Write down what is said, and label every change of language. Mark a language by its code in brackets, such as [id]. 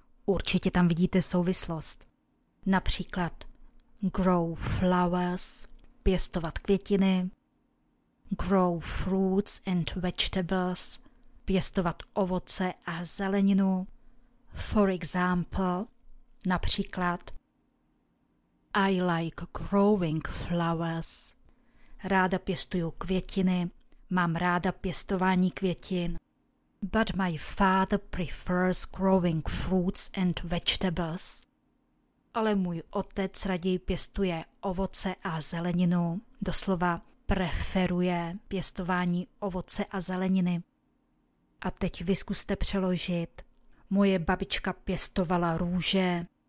[cs] Určitě tam vidíte souvislost. Například [en] grow flowers, [cs] pěstovat květiny, [en] grow fruits and vegetables, [cs] pěstovat ovoce a zeleninu. [en] For example, [cs] například [en] I like growing flowers. [cs] Ráda pěstuju květiny, mám ráda pěstování květin. [en] But my father prefers growing fruits and vegetables. [cs] Ale můj otec raději pěstuje ovoce a zeleninu. Doslova, preferuje pěstování ovoce a zeleniny. A teď vyzkuste přeložit. Moje babička pěstovala růže.